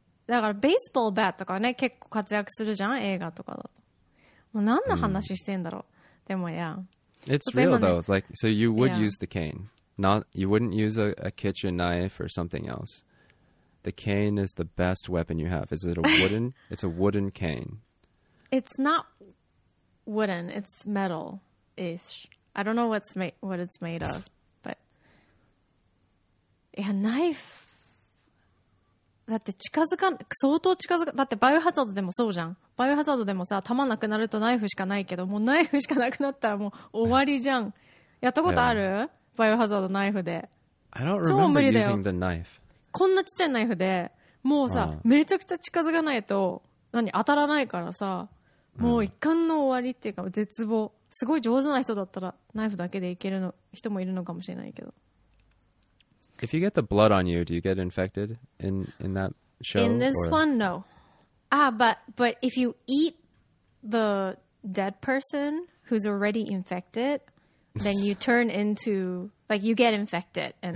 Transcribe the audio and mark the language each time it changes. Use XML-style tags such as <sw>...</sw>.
<ja>だからベースボールバットとかね、結構活躍するじゃん、映画とかだと。もう何の話してんだろう。でもや。</ja> <en>It's real though. Like, so you would use the cane. Not, you wouldn't use a kitchen knife or something else. The cane is the best weapon you have. Is it a wooden? It's a wooden cane. It's not wooden. It's metal-ish. I don't know what it's made of, but yeah, knife.</en> <ja>だって近づか、相当近づか、だってバイオハザードでもそうじゃん。バイオハザードでもさ、弾なくなるとナイフしかないけど、もうナイフしかなくなったらもう終わりじゃん。やったことある？バイオハザードナイフで。</ja> <en>I don't remember using the knife.</en> <ja>こんなちっちゃいナイフで、もうさ、めちゃくちゃ近づかないと、何、当たらないからさ、もう一巻の終わりっていうか、絶望。すごい上手な人だったら、ナイフだけでいけるの、人もいるのかもしれないけど。</ja> <en>If you get the blood on you, do you get infected in that show? In this one, no. Ah, but if you eat the dead person who's already infected, then you turn into, like, you get infected and</en>